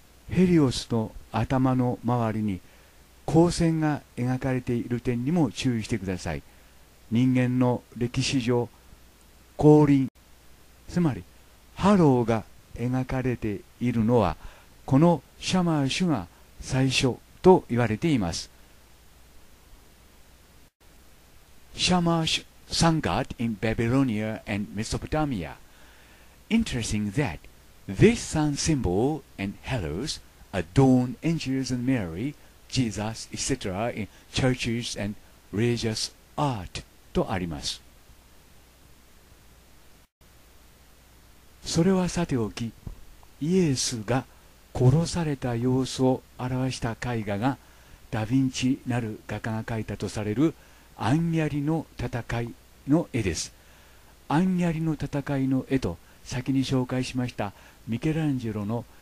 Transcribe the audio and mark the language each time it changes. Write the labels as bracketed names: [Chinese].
[Japanese] ヘリオスの頭の周りに光線が描かれている点にも注意してください。人間の歴史上、光輪、つまりハローが描かれているのはこのシャマーシュが最初と言われています。 [English] シャマーシュ sun god in Babylonia and Mesopotamia. Interesting that this sun symbol and halosadorn angels and Mary, Jesus, etc. in churches and religious art [Japanese] とあります。それはさておき、イエスが殺された様子を表した絵画がダ・ヴィンチなる画家が描いたとされるアンギャリの戦いの絵です。アンギャリの戦いの絵と先に紹介しましたミケランジェロの